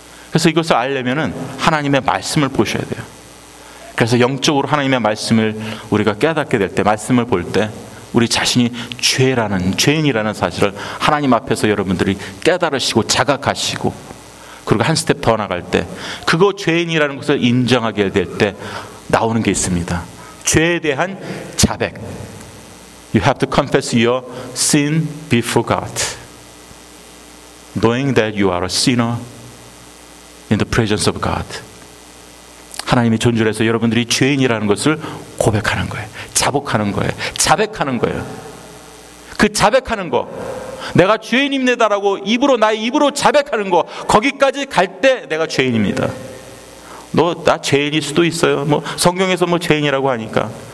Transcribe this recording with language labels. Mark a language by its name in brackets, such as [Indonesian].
[Korean] 그래서 이것을 알려면은 하나님의 말씀을 보셔야 돼요. 그래서 영적으로 하나님의 말씀을 우리가 깨닫게 될 때, 말씀을 볼 때 우리 자신이 죄라는, 죄인이라는 사실을 하나님 앞에서 여러분들이 깨달으시고 자각하시고, 그리고 한 스텝 더 나갈 때 그거 죄인이라는 것을 인정하게 될 때 나오는 게 있습니다. 죄에 대한 자백. [English] You have to confess your sin before God. Knowing that you are a sinner in the presence of God. [Korean] 하나님의 존재에서 여러분들이 죄인이라는 것을 고백하는 거예요. 자복하는 거예요. 자백하는 거예요. 그 자백하는 거, 내가 죄인입니다라고 입으로, 나의 입으로 자백하는 거, 거기까지 갈 때 내가 죄인입니다. 너, 나 죄인일 수도 있어요. 뭐 성경에서 뭐 죄인이라고 하니까.